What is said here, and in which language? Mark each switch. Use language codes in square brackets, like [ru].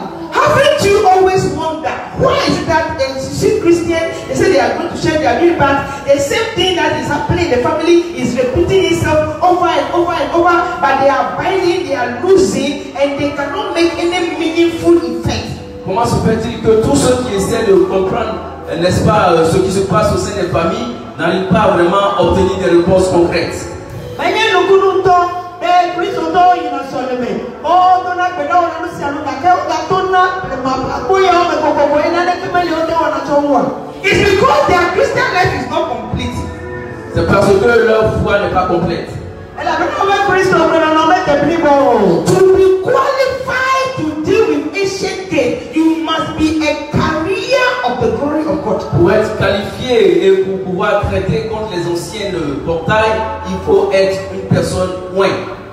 [en] Haven't you always wondered why is that a Christian, they say they are going to share their new birth, the same thing that is happening in the family is repeating itself over and over and over, but they are binding, they are losing, and they cannot make any meaningful effect. [fr] Comment se fait-il que tous ceux qui essaient de comprendre, n'est-ce pas, ce qui se passe au sein des familles, n'arrivent pas vraiment à obtenir des réponses concrètes? [en] It's because their Christian life is not complete. [fr] C'est parce que leur foi n'est pas complète. [en] To be qualified to deal with ancient things, you must be a carrier of the glory of God. [fr] Pour être qualifié et pour pouvoir traiter contre les anciennes portails, il faut être une personne ouinte.